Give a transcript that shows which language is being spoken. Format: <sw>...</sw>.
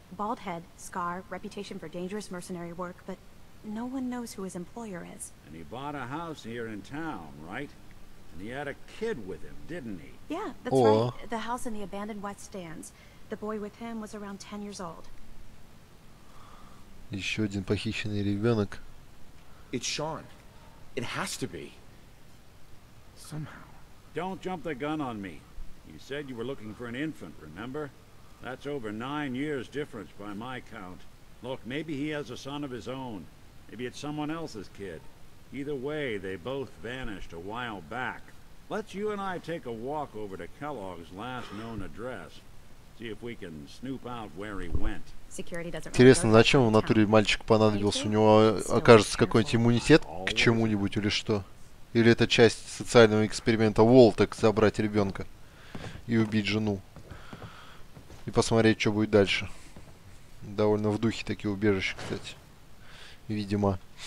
<en>Bald head, scar, reputation for dangerous mercenary work, but no one knows who his employer is. And he bought a house here in town, right? And he had a kid with him, didn't he? Yeah, that's right. The house in the abandoned West Stands. The boy with him was around 10 years old.</en> <ru>Еще один похищенный ребенок.</ru> <en>It's Sean. It has to be. Somehow. Don't jump the gun on me. You said you were looking for an infant, remember? That's over 9 years difference by my count. Look, maybe he has a son of his own. Maybe it's someone else's kid. Either way, they both vanished a while back. Let's you and I take a walk over to Kellogg's last known address. See if we can snoop out where he went.</en> <ru>Интересно, зачем в натуре мальчик понадобился? У него окажется какой-нибудь иммунитет к чему-нибудь или что? Или это часть социального эксперимента Уолта, как забрать ребенка и убить жену? И посмотреть, что будет дальше. Довольно в духе такие убежища, кстати. Видимо.</ru>